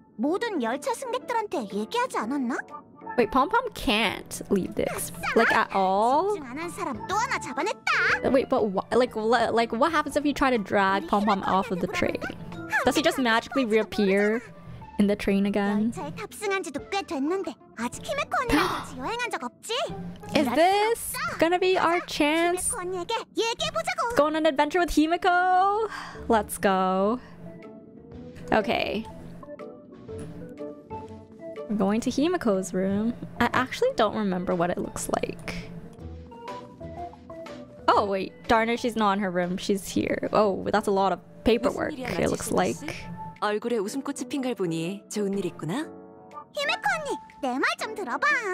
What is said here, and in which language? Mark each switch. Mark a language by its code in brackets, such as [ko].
[ko] 모든 열차 승객들한테 얘기하지 않았나? [en] Wait, Pom Pom can't leave this, like at all. [ko] 집중하는 사람 또 하나 잡아냈다. [en] Wait, but like what happens if you try to drag Pom Pom off of the train? Does he just magically reappear in the train again? [ko] 열차에 탑승한지도 꽤 됐는데 아직 히메코 언니랑 같이 여행한 적 없지? [en] Is this gonna be our chance? [ko] 히메코 언니에게 얘기해보자고. [en] Go on an adventure with Himeko. Let's go. Okay. We're going to Himeko's room. I actually don't remember what it looks like. Oh, wait. Darn it, she's not in her room. She's here. Oh, that's a lot of paperwork, it looks like. [ko] 얼굴에 웃음꽃이 핀 걸 보니 좋은 일 있구나. 히메코 언니, 내 말 좀 들어봐.